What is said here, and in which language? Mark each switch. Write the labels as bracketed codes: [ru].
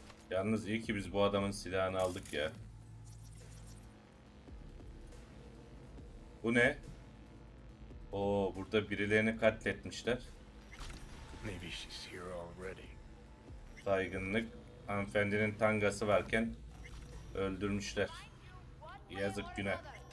[tr] Yalnız iyi ki biz bu adamın silahını aldık ya. Bu ne? Oo, burada birilerini katletmişler. [en] Maybe she's here already. [tr] Saygınlık. Hanımefendinin tangası varken öldürmüşler. Yazık günah.